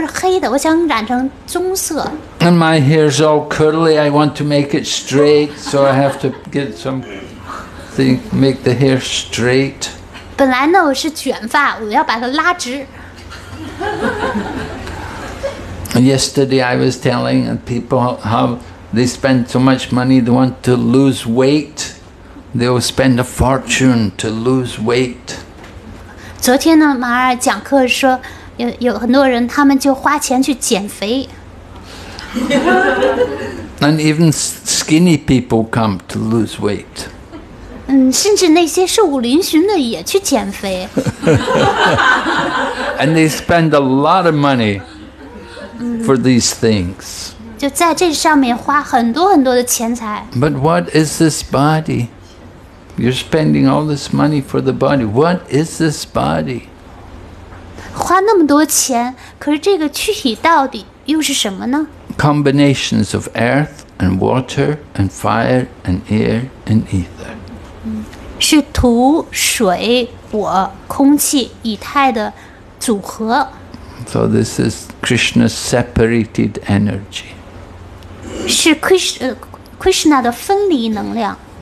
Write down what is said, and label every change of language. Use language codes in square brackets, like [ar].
[zh] 我要染一下我的头发，我头发是黑的，我想染成棕色。 [en] And my hair is all curly, I want to make it straight, so I have to get some thing, make the hair straight. [zh] 本来呢，我是卷发，我要把它拉直。 [en] Yesterday I was telling people how they spend so much money, they want to lose weight. They will spend a fortune to lose weight. [zh] 昨天呢，马尔讲课说，有很多人他们就花钱去减肥。 [en] And even skinny people come to lose weight. [zh] 甚至那些瘦骨嶙峋的也去减肥。 [en] And they spend a lot of money for these things. [zh] 就在这上面花很多很多的钱财。 [en] But what is this body? You're spending all this money for the body. What is this body? [zh] 花那么多钱，可是这个躯体到底又是什么呢？ [en] Combinations of earth and water and fire and air and ether. [zh] 是土、水、火、空气、以太的组合。 [en] So this is Krishna's separated energy. [zh] 是 Krishna 的分离能量。